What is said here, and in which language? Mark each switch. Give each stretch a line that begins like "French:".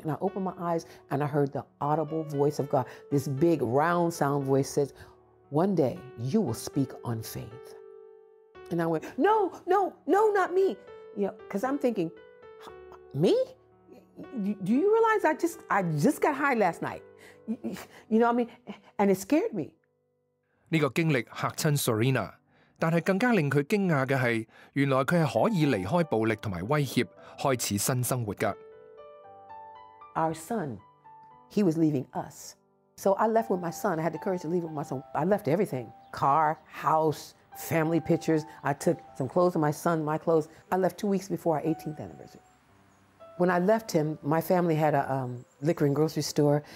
English: And I opened my eyes and I heard the audible voice of God. This big round sound voice says,One day, you will speak on faith. And I went, no, no, no, not me. You know, because I'm thinking, me? Do you realize I just got high last night? You know what I mean? And it scared me.
Chinese: 这个经历吓亲 Sorina， 但是更加令她惊讶的是，原来她是可以离开暴力和威胁，开始新生活的。
English: Our son, he was leaving us. So I left with my son. I had the courage to leave with my son. I left everything. Car, house, family pictures. I took some clothes of my son, my clothes. I left 2 weeks before our 18th anniversary. When I left him, my family had a liquor and grocery store.